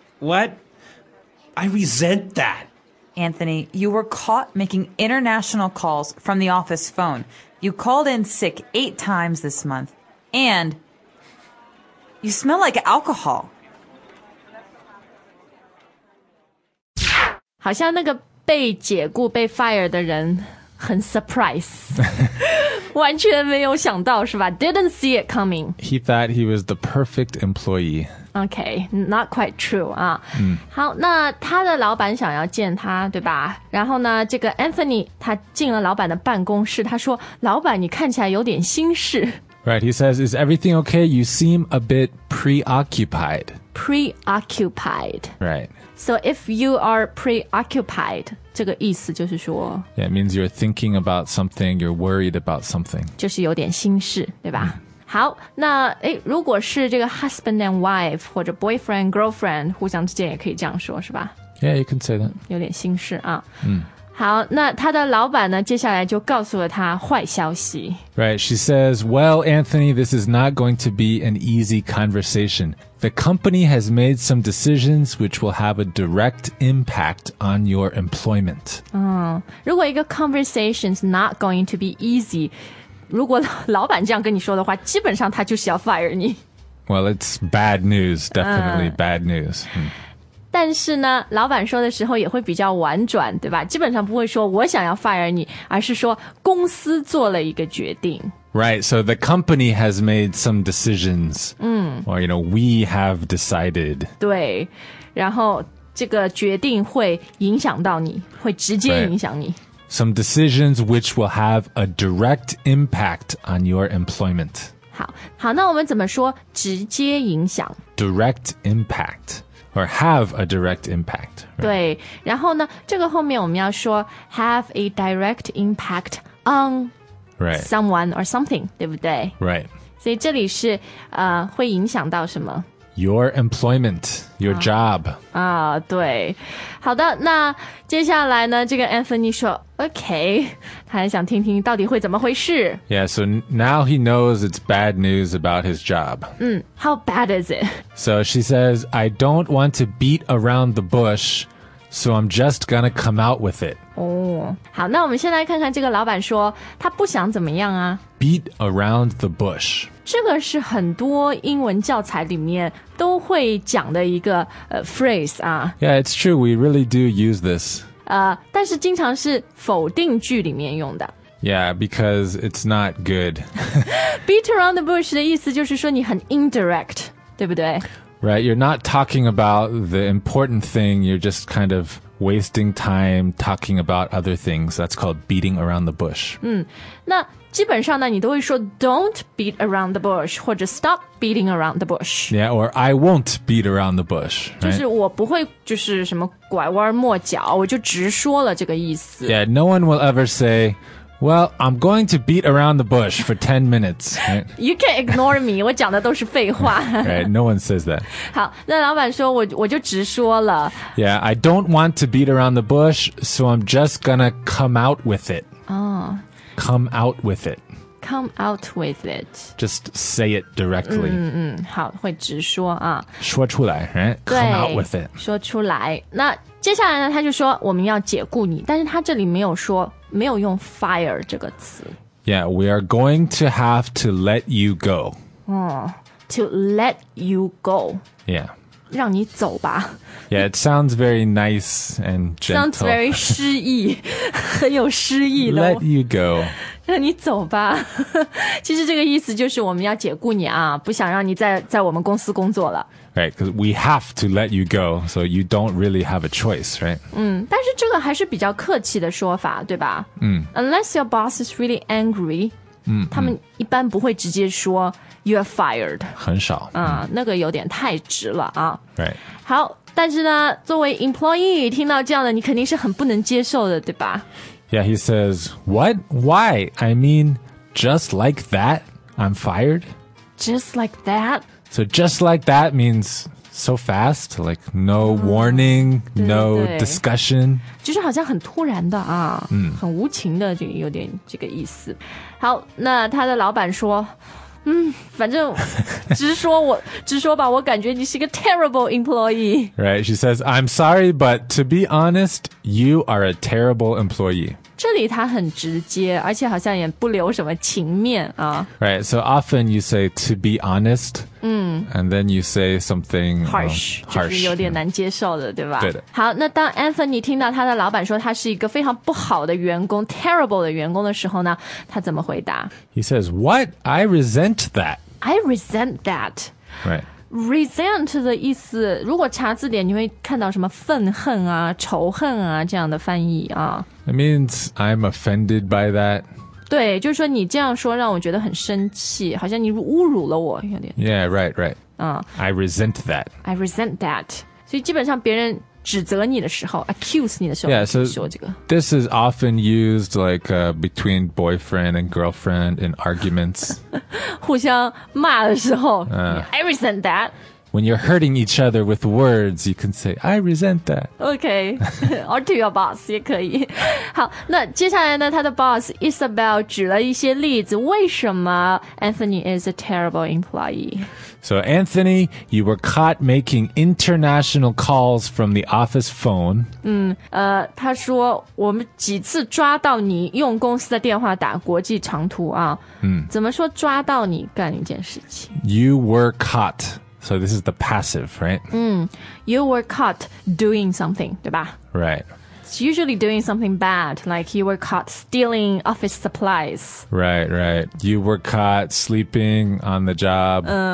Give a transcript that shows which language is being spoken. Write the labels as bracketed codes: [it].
[en] What? I resent that. Anthony, you were caught making international calls from the office phone. You called in sick 8 times this month, and you smell like alcohol. [zh] 好像那个被解雇、被 fire 的人很 surprise 完全没有想到是吧 [en] Didn't see it coming. He thought he was the perfect employee. Okay, not quite true. [zh] 啊、好那他的老板想要见他对吧然后呢这个 Anthony 他进了老板的办公室他说老板你看起来有点心事 [en] Right, he says, is everything okay? You seem a bit preoccupied. Preoccupied. Right. So if you are preoccupied, [zh] 这个意思就是说 [en] Yeah, it means you're thinking about something, you're worried about something. [zh] 就是有点心事,对吧? 好,那如果是这个 [en] husband and wife, [zh] 或者 boyfriend, girlfriend, 互相之间也可以这样说,是吧? [en] Yeah, you can say that. [zh] 有点心事啊。好,那他的老板呢,接下来就告诉了他坏消息。 [en] Right, she says, well, Anthony, this is not going to be an easy conversation. The company has made some decisions which will have a direct impact on your employment. [zh] 如果一个 [en] conversation is not going to be easy, [zh] 如果老板这样跟你说的话,基本上他就是要 fire 你。 [en] Well, it's bad news, definitely bad news. [zh] 但是呢,老板说的时候也会比较婉转,对吧? 基本上不会说我想要 fire 你,而是说公司做了一个决定。 [en] Right, so the company has made some decisions. Or, you know, we have decided. [zh] 对,然后这个决定会影响到你,会直接影响你。 [en] Some decisions which will have a direct impact on your employment. [zh] 好,好,那我们怎么说直接影响? [en] Direct impact, or have a direct impact. Right? [zh] 对,然后呢,这个后面我们要说 [en] have a direct impact on... Right. Someone or something, [zh] 对不对? [en] Right. [zh] 所以这里是会影响到什么? [en] Your employment, your job. [zh] 对。好的,那接下来呢,这个 Anthony 说, okay, 他还想听听到底会怎么回事。 [en] Yeah, so now he knows it's bad news about his job. How bad is it? So she says, I don't want to beat around the bush,So I'm just gonna come out with it. [zh] 好，那我们先来看看这个老板说他不想怎么样啊。 [en] Beat around the bush. [zh] 这个是很多英文教材里面都会讲的一个phrase 啊。 [en] Yeah, it's true. We really do use this. [zh] 但是经常是否定句里面用的。 [en] Yeah, because it's not good. Beat around the bush [zh] 的意思就是说你很 indirect, 对不对？ [en] Right, you're not talking about the important thing, you're just kind of wasting time talking about other things. That's called beating around the bush. [zh] 那基本上呢你都会说 [en] don't beat around the bush, [zh] 或者 [en] stop beating around the bush. Yeah, or I won't beat around the bush. [zh] 就是我不会就是什么拐弯抹角我就直说了这个意思。 [en] Yeah, no one will ever say... Well, I'm going to beat around the bush for 10 minutes.、Right? You can't ignore me. [zh] 我讲的都是废话。 [en] Right, no one says that. [zh] 好,那老板说我就直说了。 [en] Yeah, I don't want to beat around the bush, so I'm just gonna come out with it. Oh. Come out with it. come out with it. Just say it directly. [zh] 好，会直说啊。说出来 [en] ，right? Come out with it. [zh] 说出来。那接下来呢？他就说我们要解雇你，但是他这里没有说，没有用 fire 这个词。 [en] Yeah, we are going to have to let you go. To let you go. Yeah. [zh] 让你走吧 [en] Yeah, it sounds very nice and gentle. Sounds very [zh] 诗意很有诗意的 [en] Let you go. [zh] 让你走吧其实这个意思就是我们要解雇你啊不想让你 在我们公司工作了 [en] Right, because we have to let you go, so you don't really have a choice, right? [zh] 但是这个还是比较客气的说法对吧、 [en] Unless your boss is really angry, [zh] 他们一般不会直接说 [en] You're fired. [zh] 很少。那个有点太直了啊。 [en] Right. [zh] 好，但是呢，作为 employee， 听到这样的，你肯定是很不能接受的，对吧 [en] ？Yeah, he says, "What? Why? I mean, just like that, I'm fired." Just like that. So just like that means so fast, like no warning, no discussion. [zh] 就是好像很突然的啊，很无情的，就有点这个意思。好，那他的老板说。反正直说我直说吧我感觉你是个 [en] terrible employee. Right, she says, I'm sorry, but to be honest, you are a terrible employee. [zh] 这里他很直接而且好像也不留什么情面啊。 [en] Right, so often you say to be honest, and then you say something harsh. [zh] 就是有点难接受的对吧对的。好那当 Anthony 听到他的老板说他是一个非常不好的员工 terrible 的员工的时候呢他怎么回答 [en] He says, what? I resent that. I resent that. Right. [zh] Resent 的意思如果查字典你会看到什么愤恨啊仇恨啊这样的翻译啊 [en] It means I'm offended by that [zh] 对就是说你这样说让我觉得很生气好像你侮辱了我有点 [en] Yeah, right, right、I resent that I resent that [zh] 所以基本上别人指责你的时候 accuse 你的时候 [en] Yeah, so [zh] 说这个 [en] this is often used like、between boyfriend and girlfriend in arguments [zh] 互相骂的时候、 [en] I resent that When you're hurting each other with words you can say I resent that Okay, or to your boss [zh] 也可以好那接下来呢他的 boss Isabel 举了一些例子为什么 [en] Anthony is a terrible employee So, Anthony, you were caught making international calls from the office phone. [zh] 他说我们几次抓到你用公司的电话打国际长途啊。怎么说抓到你干一件事情 [en] ?You were caught. So, this is the passive, right? You were caught doing something, [zh] 对吧 [en] Right. It's usually doing something bad, like you were caught stealing office supplies. Right, right. You were caught sleeping on the job.